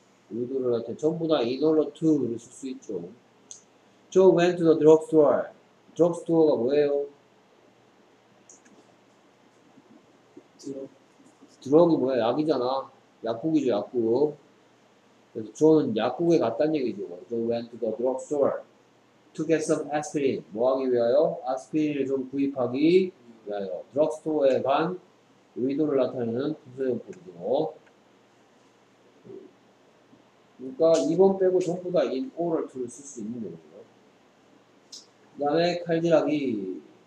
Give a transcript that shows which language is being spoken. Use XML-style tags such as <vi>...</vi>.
<ko>의도를 할 때 전부 다 in order to를 쓸 수 있죠.</ko> <en>Joe went to the drugstore.</en> <ko>Drugstore가 뭐예요? 드럭이 뭐야? 약이잖아. 약국이죠, 약국. 그래서 저는 약국에 갔단 얘기죠.</ko> <en>So went to the drugstore to get some aspirin.</en> <ko>뭐 하기 위하여? 아스피린을 좀 구입하기 위하여. Drugstore에 간 의도를 나타내는 부사용법이죠. 그러니까 2번 빼고 전부 다 in order to를 쓸 수 있는 거예요. 그 다음에 칼질하기.</ko>